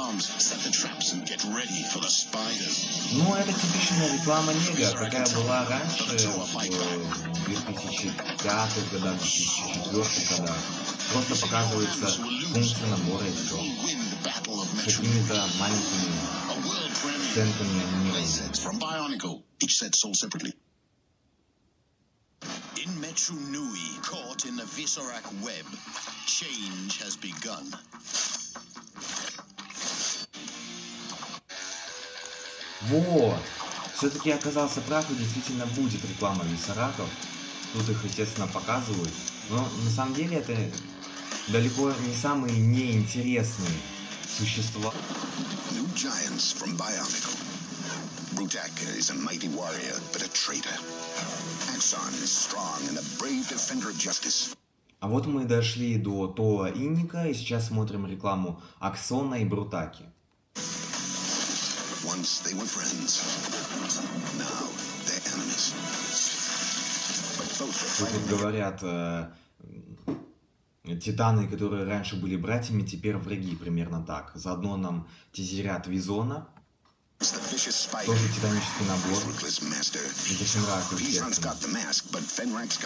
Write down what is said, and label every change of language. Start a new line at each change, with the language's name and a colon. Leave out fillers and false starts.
Russian: Ну, это типичная реклама Нега, какая была раньше, в 2005-х годах, 2004-х годах. Просто показывается функция набора и все. С какими-то маленькими сценками анимированными.
English: In Metro Nui, caught in the Visorak web, change has begun.
Russian: Вот! Все-таки я оказался прав, и действительно будет реклама Висараков. Тут их, естественно, показывают. Но на самом деле это далеко не самые неинтересные существа.
English: New giants from Bionicle. Rudak is a mighty warrior, but a traitor. Axon is strong and a brave defender of justice.
Russian: А вот мы дошли до ТО Инника, и сейчас смотрим рекламу Аксона и Брутаки.
English: Once they were friends, now they're enemies.
Russian: Тут говорят, титаны, которые раньше были братьями, теперь враги, примерно так. Заодно нам тизерят Визона. Тоже титанический набор. Это Фенрак, естественно.